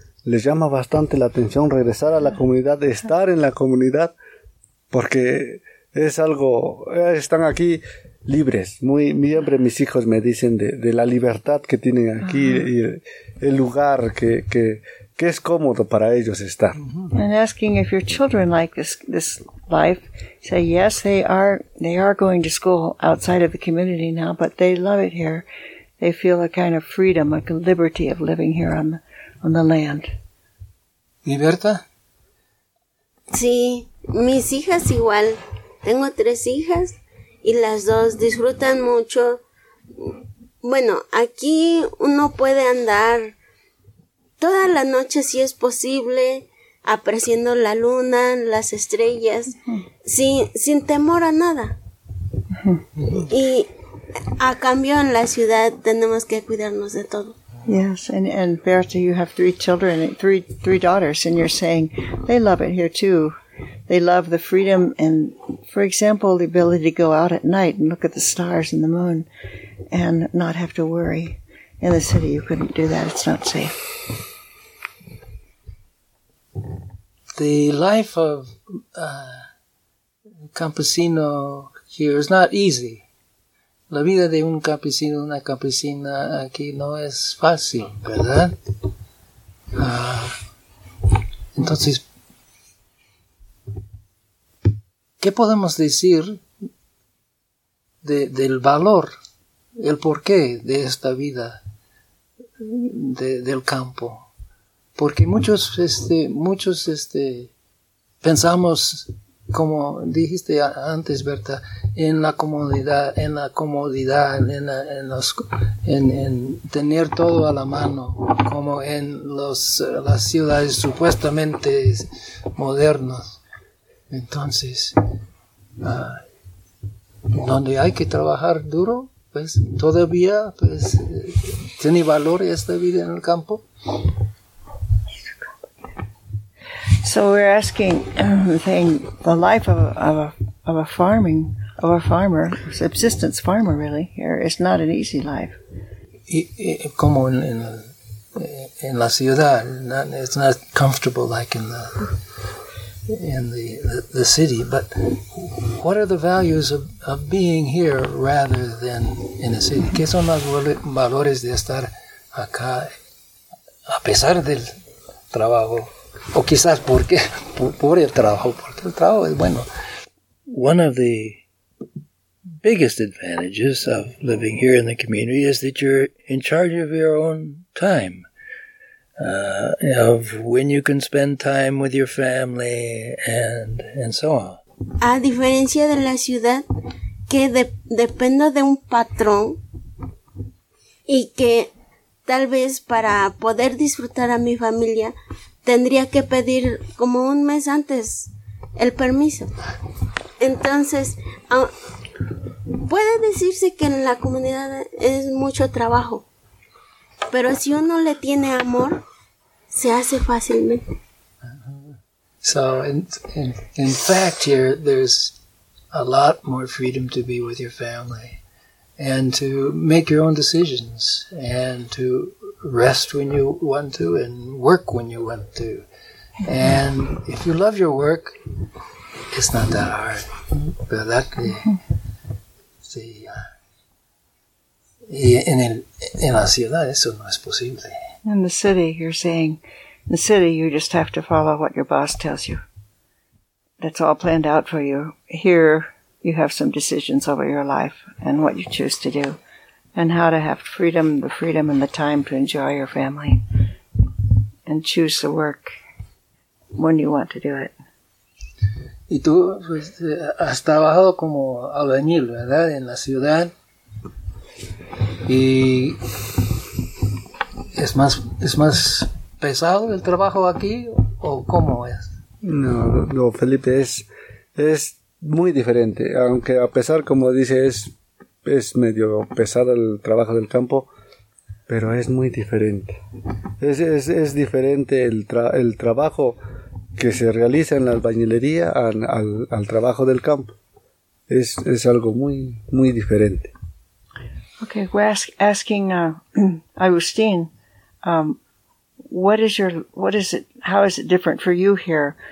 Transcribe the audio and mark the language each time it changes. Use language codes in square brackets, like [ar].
[es] Les llama bastante la atención regresar a la comunidad, estar en la comunidad, porque es algo, están aquí libres. Muy, siempre mis hijos me dicen de la libertad que tienen aquí y el lugar que es cómodo para ellos estar. [en] And asking if your children like this life, say yes, they are going to school outside of the community now, but they love it here. They feel a kind of freedom, a liberty of living here on the land. [es] ¿Y Berta? Sí, mis hijas igual. Tengo 3 hijas y las dos disfrutan mucho. Bueno, aquí uno puede andar toda la noche si es posible, apreciando la luna, las estrellas, sin temor a nada. Y a cambio en la ciudad tenemos que cuidarnos de todo. [en] Yes, and Berta, you have 3 children, 3 daughters, and you're saying they love it here too. They love the freedom and, for example, the ability to go out at night and look at the stars and the moon and not have to worry. In the city, you couldn't do that. It's not safe. The life of campesino here is not easy. [es] La vida de un campesino, una campesina aquí no es fácil, ¿verdad? Entonces, ¿qué podemos decir del valor, el porqué de esta vida del campo? Porque muchos pensamos, como dijiste antes, Berta, en la comodidad, en tener todo a la mano, como en las ciudades supuestamente modernas. Entonces, donde hay que trabajar duro, pues todavía, pues, ¿tiene valor esta vida en el campo? [en] So we're asking, the life of a farmer, subsistence farmer, really, here is not an easy life. [es] Como en la ciudad, [en] it's not comfortable like in the city. But what are the values of being here rather than in a city? [es] ¿Qué son los valores de estar acá a pesar del trabajo? O quizás porque por el trabajo, porque el trabajo es bueno. [en] One of the biggest advantages of living here in the community is that you're in charge of your own time, of when you can spend time with your family and so on. [es] A diferencia de la ciudad, que dependo de un patrón y que tal vez para poder disfrutar a mi familia tendría que pedir como un mes antes el permiso. Entonces, puede decirse que en la comunidad es mucho trabajo, pero si uno le tiene amor, se hace fácilmente. [en] So in fact here there's a lot more freedom to be with your family and to make your own decisions and to rest when you want to and work when you want to. And if you love your work, it's not that hard. [es] ¿Verdad? Sí. Y en la ciudad eso no es posible. [en] In the city, you're saying, in the city, you just have to follow what your boss tells you. That's all planned out for you. Here, you have some decisions over your life and what you choose to do and how to have freedom, the freedom and the time to enjoy your family and choose the work when you want to do it. [es] Y tú pues, has trabajado como albañil, ¿verdad? En la ciudad. Y es más pesado el trabajo aquí o cómo es? No, Felipe, es muy diferente. Aunque a pesar, como dice, es medio pesado el trabajo del campo, pero es muy diferente. Es diferente el trabajo que se realiza en la albañilería al trabajo del campo. Es algo muy, muy diferente. [en] Okay, we're asking Agustín, how is it different for you here?